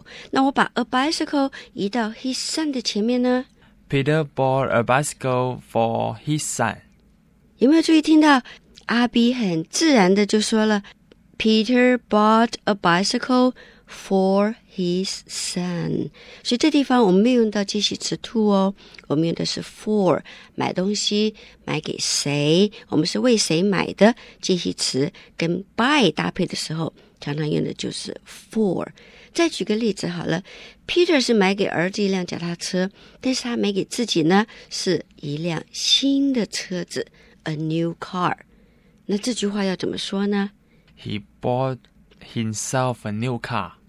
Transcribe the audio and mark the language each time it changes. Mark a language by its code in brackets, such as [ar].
[zh] 那我把 a bicycle 移到 his son 的前面呢？ [en] Peter bought a bicycle for his son. [zh] 有没有注意听到阿B很自然的就说了 [en] Peter bought a bicycle for his son. [zh] 所以这地方我们没有用到介系词 to 哦，我们用的是 for， 买东西买给谁，我们是为谁买的，介系词跟 buy 搭配的时候常常用的就是 for。再举个例子好了， Peter 是买给儿子一辆脚踏车，但是他买给自己呢是一辆新的车子， a new car。那这句话要怎么说呢？ [en] He bought himself a new car。